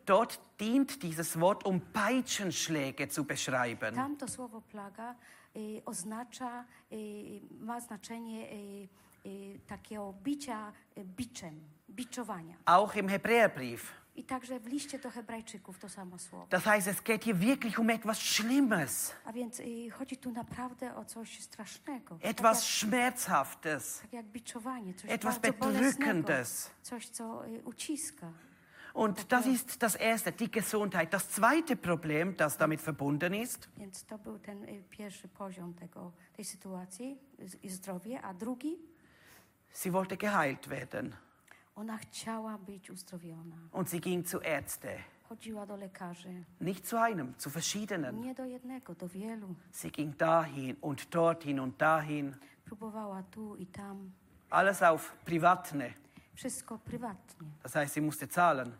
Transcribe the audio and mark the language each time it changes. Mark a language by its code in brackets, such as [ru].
[de] Dort dient dieses Wort, um Peitschenschläge zu beschreiben. [pl] Tam to słowo plaga oznacza, ma znaczenie takiego bicia biczem, biczowania. [de] Auch im Hebräerbrief. [pl] I także w liście do Hebrajczyków to samo słowo. [de] Das heißt, es geht hier wirklich um etwas Schlimmes. [pl] A więc chodzi tu naprawdę o coś strasznego. [de] Etwas tak jak, Schmerzhaftes. [pl] Tak jak biczowanie, coś [de] etwas Bedrückendes. [pl] Coś, co uciska. [de] Und tak das ist das Erste, die Gesundheit. Das zweite Problem, das damit verbunden ist. [pl] Więc to był ten pierwszy poziom tej sytuacji, zdrowie, a drugi? [de] Sie wollte geheilt werden. [pl] Ona chciała być uzdrowiona. [de] Und sie ging zu Ärzte. [pl] Chodziła do lekarzy. [de] Nicht zu einem, zu verschiedenen. [pl] Nie do jednego, do wielu. [de] Sie ging dahin und dorthin und dahin. [pl] Próbowała tu i tam. [de] Alles auf Privatne. [pl] Wszystko prywatnie. [de] Das heißt, sie musste zahlen.